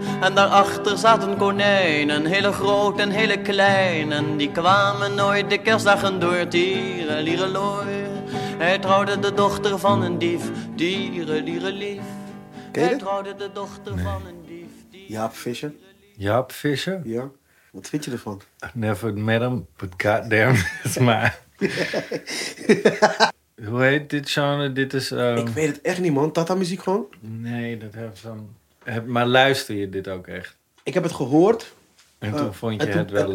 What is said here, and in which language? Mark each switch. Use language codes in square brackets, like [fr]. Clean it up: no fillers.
[nl] En daarachter zaten konijnen, hele groot en hele klein. En die kwamen nooit de kerstdagen door, tire, lire, loer. Hij trouwde de dochter van een dief, tire, lire, lief. Hij trouwde de dochter van een dief, tire, Jaap Visser. Jaap Visser? Ja. Wat vind je ervan? [en] I've never met him, but goddamn, it's my... [nl] Hoe heet dit genre? Dit is, Ik weet het echt niet, man. Tata muziek gewoon? Nee, dat heeft zo'n... Maar luister je dit ook echt? Ik heb het gehoord. En toen vond je het wel leuk.